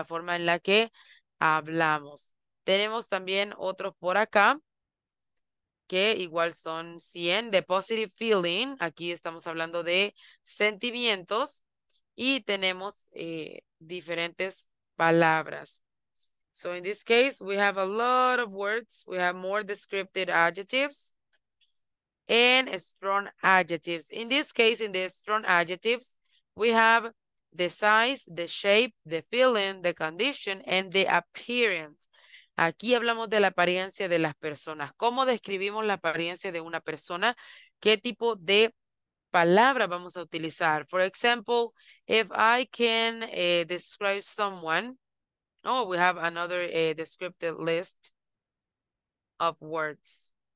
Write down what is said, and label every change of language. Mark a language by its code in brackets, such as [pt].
[es] La forma en la que hablamos. Tenemos también otros por acá, que igual son 100, de [en] positive feeling. [es] Aquí estamos hablando de sentimientos y tenemos diferentes palabras. [en] So in this case, we have a lot of words. We have more descriptive adjectives and strong adjectives. In this case, in the strong adjectives, we have the size, the shape, the feeling, the condition, and the appearance. [es] Aquí hablamos de la apariencia de las personas. ¿Cómo describimos la apariencia de una persona? ¿Qué tipo de palabra vamos a utilizar? [en] For example, if I can describe someone, oh, we have another descriptive list of words.